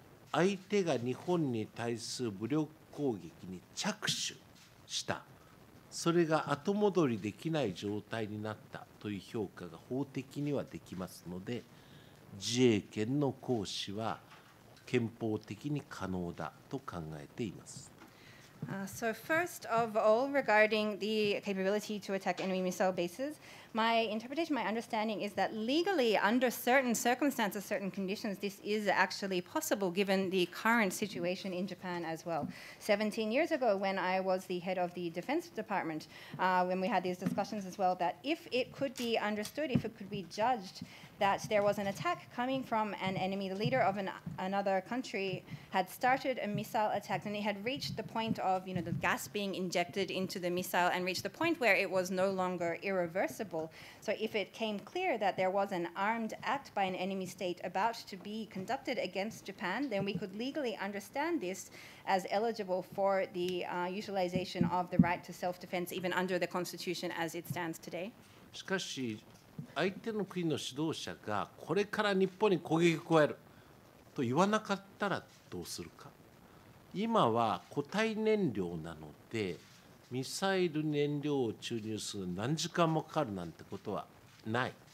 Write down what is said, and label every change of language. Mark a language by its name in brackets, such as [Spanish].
[Japanese] 相手が日本に対する武力攻撃に着手した、それが後戻りできない状態になったという評価が法的にはできますので、自衛権の行使は憲法的に可能だと考えています。 [English] So first of all, regarding the capability to attack enemy missile bases, my interpretation, my understanding is that legally, under certain circumstances, certain conditions, this is actually possible given the current situation in Japan as well. 17 years ago, when I was the head of the Defense Department, when we had these discussions as well, that if it could be understood, if it could be judged that there was an attack coming from an enemy, the leader of another country had started a missile attack, and it had reached the point of, you know, the gas being injected into the missile and reached the point where it was no longer irreversible. So if it came clear that there was an armed act by an enemy state about to be conducted against Japan, then we could legally understand this as eligible for the utilization of the right to self-defense, even under the Constitution as it stands today. [Japanese] しかし、相手の国の指導者がこれから日本に攻撃を加えると言わなかったらどうするか。今は固体燃料なので、ミサイル燃料を注入する何時間もかかるなんてことはない。